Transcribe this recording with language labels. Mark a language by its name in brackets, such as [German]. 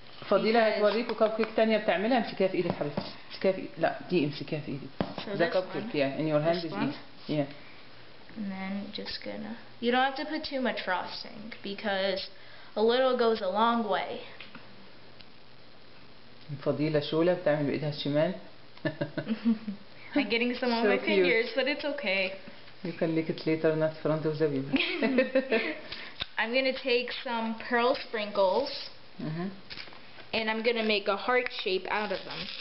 [Arabic] فضيلة هتوريكوا كبكيك تانية بتعملها، امسكيها في ايدك حبيبتي. لا دي امسكيها في ايدك. [English] So the cupcake, yeah, in your hand is easy. Yeah. And then just gonna. You don't have to put too much frosting because a little goes a long way. [Arabic] فضيلة شولة بتعمل بإيدها الشمال. [English] I'm getting some on my fingers, but it's okay. You can lick it later, not front of the baby. I'm gonna take some pearl sprinkles. And I'm gonna make a heart shape out of them.